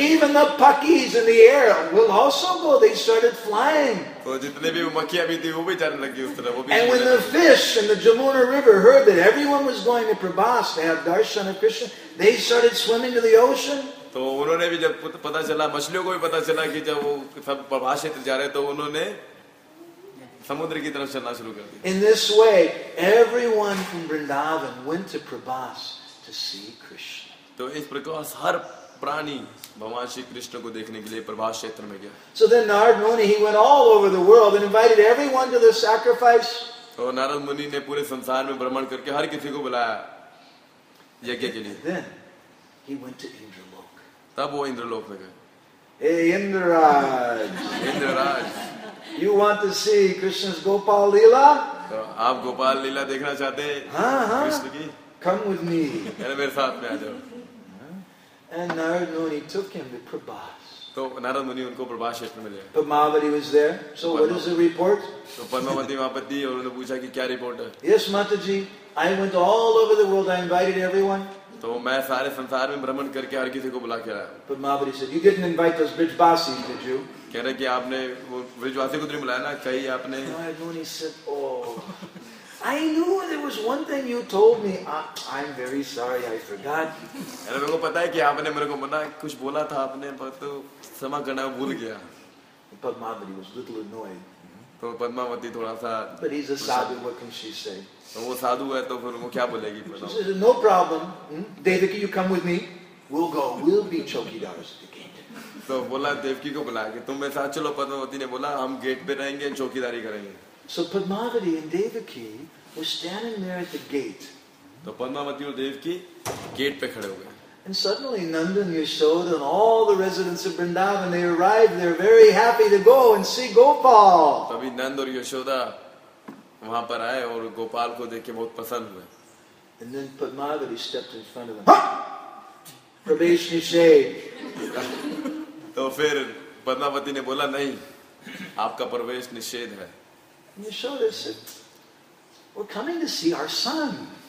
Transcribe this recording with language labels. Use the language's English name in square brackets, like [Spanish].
[English] Even the puckies in the air will also go. They started flying. [Hindi] तो जितने भी मक्खियां भी थी वो भी जाने लगी उस तरह. [English] And when the fish in the Jamuna River heard that everyone was going to Prabhas to have darshan of Krishna, they started swimming to the ocean. [Hindi] तो उन्होंने भी जब पता चला, मछलियों को भी पता चला कि जब वो सब प्रभास क्षेत्र जा रहे, तो उन्होंने समुद्र की तरफ चलना शुरू कर दिया. [English] In this way, everyone from Vrindavan went to Prabhas to see Krishna. [Hindi] तो इस प्रकार हर प्राणी भगवान श्री कृष्ण को देखने के लिए प्रभास क्षेत्र में गया. [English] So then Narad Muni, he went all over the world and invited everyone to the sacrifice. [Hindi] तो नारद मुनि ने पूरे संसार में भ्रमण करके हर किसी को बुलाया यज्ञ के लिए. [English] Then he went to Indralok. [Hindi] तब वो इंद्रलोक में गए. [English] Hey Indraraj. Indraraj. You want to see Krishna's Gopal Leela? [Hindi] आप गोपाल लीला देखना चाहते हैं? [English] Come with me. [Hindi] मेरे साथ में आ जाओ. [English] And Narad Muni took him to Prabhas. [Hindi] तो नारद मुनि उनको प्रभास क्षेत्र में ले. [English] Padmavati was there. So what is the report? [Hindi] तो पद्मावती वहाँ पर थी और उन्होंने पूछा कि क्या रिपोर्ट है. [English] Yes, Mataji, I went all over the world. I invited everyone. [Hindi] तो मैं सारे संसार में भ्रमण करके हर किसी को बुला के आया. [English] Padmavati said, you didn't invite those bridgevasis, did you? [Hindi] कह रहे कि आपने वो ब्रिजवासी को तो नहीं बुलाया ना, कही आपने. [English] Narad Muni said, oh, I knew there was one thing you told me. I'm very sorry, I forgot. [Hindi] अरे मेरे को पता है कि आपने मेरे को मना कुछ बोला था आपने, पर तो समा करना भूल गया. [English] Padmavati was a little annoyed. [Hindi] तो पद्मावती थोड़ा सा. [English] But he's a sadhu. What can she say? [Hindi] तो वो साधु है तो फिर वो क्या बोलेगी. [English] She said, no problem. Devaki, you come with me. We'll go. We'll be chokidars. [Hindi] तो बोला देवकी को बुला के तुम मेरे साथ चलो. पद्मावती ने बोला हम गेट पे रहेंगे, चौकीदारी करेंगे. [English] So Padmavati and Devaki were standing there at the gate. [Hindi] तो पद्मावती और देवकी गेट पे खड़े हो गए. [English] And suddenly Nanda and Yashoda and all the residents of Vrindavan, they arrived there very happy to go and see Gopal. [Hindi] तभी नंद और यशोदा वहां पर आए और गोपाल को देख के बहुत पसंद हुए. [English] And then Padmavati stepped in front of them. [Hindi] Prabesh nishedh. तो फिर पद्मावती ने बोला नहीं, आपका प्रवेश निषेध है. [English] Yashoda said, we're coming to see our son.